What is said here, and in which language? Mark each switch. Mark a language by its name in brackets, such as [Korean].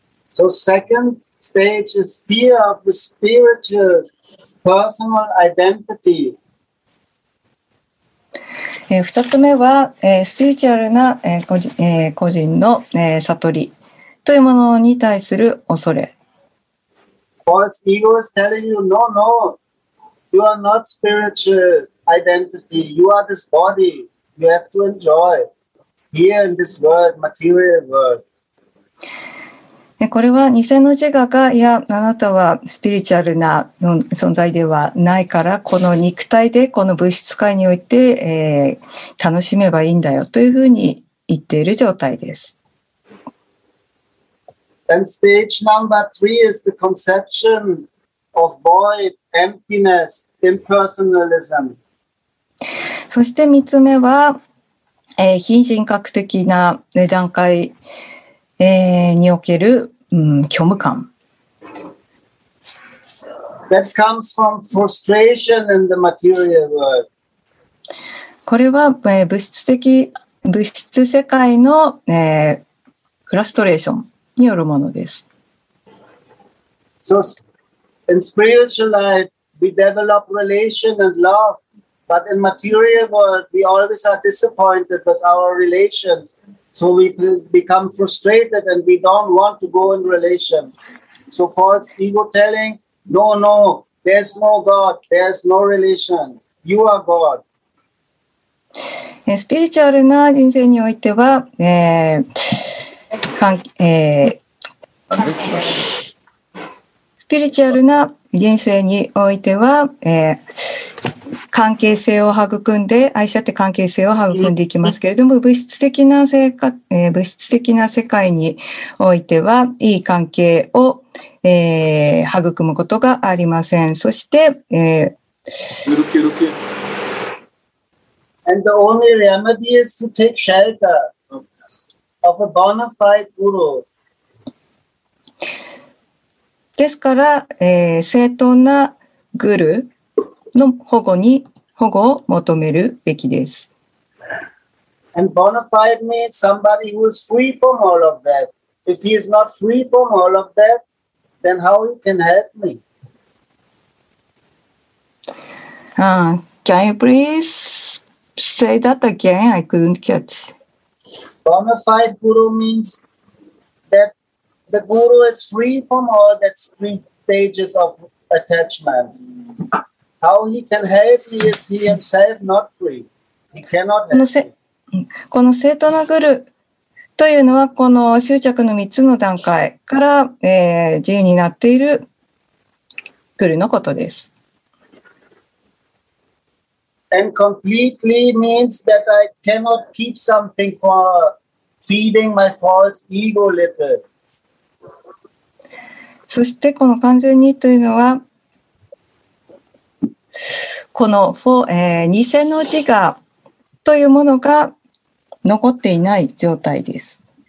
[English] So second stage is fear of the spiritual personal identity. [Japanese] 2つ目は、スピリチュアルな、個人の、悟りというものに対する恐れ。 [English] False ego is telling you, no, no, you are not spiritual identity, you are this body, you have to enjoy here in this world, material world. [Japanese] これは偽の自我が、いや、あなたはスピリチュアルな存在ではないから、この肉体で、この物質界において、楽しめばいいんだよというふうに言っている状態です。 [English] And stage number three is the conception of void, emptiness, impersonalism. [Japanese] そして三つ目は、非人格的な段階、における、虚無感。 [English] That comes from frustration in the material world. [Japanese] これは、物質世界の、フラストレーションによるものです。 [English] So, in spiritual life, we develop relation and love, but in material world, we always are disappointed with our relations. So we become frustrated and we don't want to go in relation. So false ego telling, no, no, there's no God, there's no relation. You are God. [Japanese] スピリチュアルな人生においては、スピリチュアルな人生においては、関係性を育んで、愛し合って関係性を育んでいきますけれども、物質的な世界においては、いい関係を、育むことがありません。そして、 [English] And the only remedy is to take shelter of a bona fide guru. [Japanese] ですから、正当なグルの保護に保護を求めるべきです。 [English] And bona fide means somebody who is free from all of that. If he is not free from all of that, then how he can help me? Can you please say that again? I couldn't catch. Bona fide guru means that the guru is free from all that three stages of attachment. How he can help me is he himself not free. He cannot help me. [Japanese] この正当なグルというのはこの執着の3つの段階から、自由になっているグルのことです。 [English] And completely means that I cannot keep something for feeding my false ego little. [Japanese] そしてこの完全にというのはこの偽の自我というものが残っていない状態です。